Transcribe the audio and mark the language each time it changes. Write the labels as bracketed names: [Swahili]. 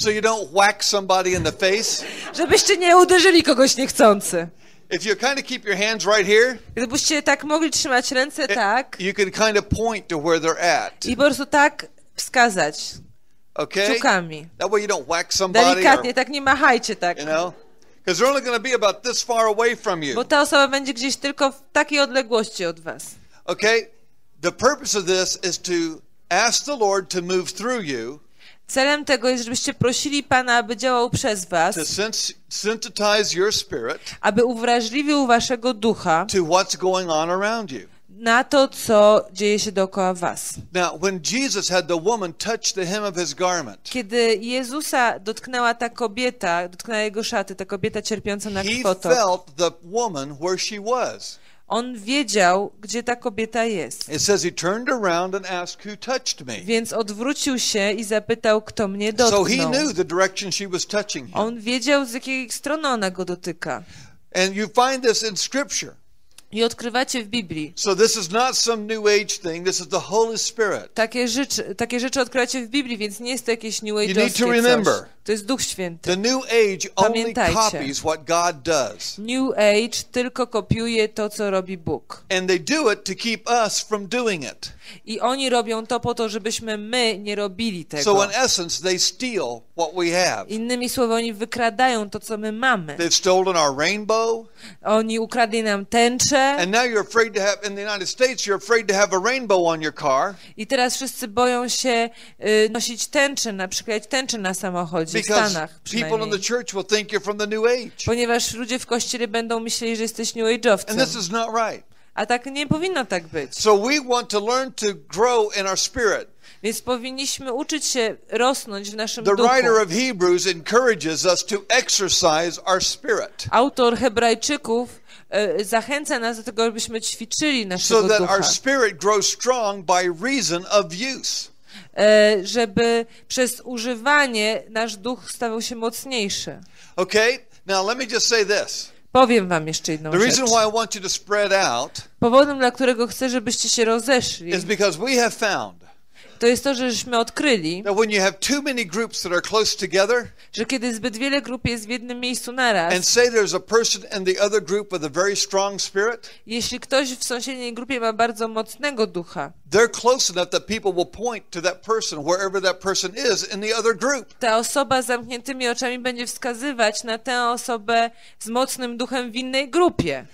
[English] So you don't whack somebody in the face. [Polish] Żebyście nie uderzyli kogoś niechcący. [English] If you kind of keep your hands right here. [Polish] Gdybyście tak mogli trzymać ręce tak. [English] You can kind of point to where they're at. [Polish] I po prostu tak wskazać. [English] Okay. [Polish] Kciukami. [English] That way you don't whack somebody. [Polish] Delikatnie, tak nie machajcie tak. [English] You know? Because they're only going to be about this far away from you. [Polish] Bo ta osoba będzie gdzieś tylko w takiej odległości od was. [English] Okay, the purpose of this is to ask the Lord to move through you. [Polish] Celem tego jest, żebyście prosili Pana, aby działał przez was. [English] To sensitize your spirit. [Polish] Aby uwrażliwił waszego ducha. [English] To what's going on around you. [Polish] Na to, co dzieje się dookoła was. [English] Now, when Jesus had the woman touch the hem of his garment. [Polish] Kiedy Jezusa dotknęła ta kobieta, dotknęła jego szaty, ta kobieta cierpiąca na krwotok. [English] He felt the woman where she was. [Polish] On wiedział, gdzie ta kobieta jest. [English] It says he turned around and asked who touched me. [Polish] Więc odwrócił się i zapytał, kto mnie dotknął. [English] So he knew the direction she was touching him. [Polish] On wiedział, z jakiej strony ona go dotyka. [English] And you find this in scripture. [Polish] I odkrywacie w Biblii. [English] So this is not some new age thing. This is the Holy Spirit. [Polish] Takie rzeczy odkrywacie w Biblii, więc nie jest to jakieś new age coś. [English] You need to remember. [Polish] To jest Duch Święty. [English] The New Age only copies what God does. [Polish] New Age tylko kopiuje to, co robi Bóg. [English] And they do it to keep us from doing it. [Polish] I oni robią to po to, żebyśmy my nie robili tego. [English] So in essence, they steal what we have. [Polish] Innymi słowy, oni wykradają to, co my mamy. [English] They've stolen our rainbow. [Polish] Oni ukradli nam tęczę. [English] And now you're afraid to have in the United States, you're afraid to have a rainbow on your car. [Polish] I teraz wszyscy boją się nosić tęczę, na przykład tęczę na samochodzie w Stanach. [English] People in the church will think you're from the New Age. [Polish] Ponieważ ludzie w kościele będą myśleli, że jesteś New Age'owcem. [English] And this is not right. [Polish] A tak nie powinno tak być. [English] So we want to learn to grow in our spirit. [Polish] Więc powinniśmy uczyć się rosnąć w naszym [English] the [Polish] duchu. [English] The writer of Hebrews encourages us to exercise our spirit. [Polish] Autor Hebrajczyków zachęca nas do tego, żebyśmy ćwiczyli naszego ducha. [English] So that our spirit grows strong by reason of use. [Polish] Żeby przez używanie nasz duch stawał się mocniejszy. [English] Okay, now let me just say this. [Polish] Powiem wam jeszcze jedną [English] the reason [Polish] rzecz. [English] Why I want you to spread out [Polish] powodem, dla którego chcę, żebyście się rozeszli, [English] is because we have found [Polish] to jest to, żeśmy odkryli, [English] that when you have too many groups that are close together, [Polish] że kiedy zbyt wiele grup jest w jednym miejscu naraz, [English] and say there's a person in the other group with a very strong spirit, [Polish] jeśli ktoś w sąsiedniej grupie ma bardzo mocnego ducha, [English] they're close enough that people will point to that person wherever that person is in the other group. [Polish] Ta osoba z zamkniętymi oczami będzie wskazywać na tę osobę z mocnym duchem w innej grupie.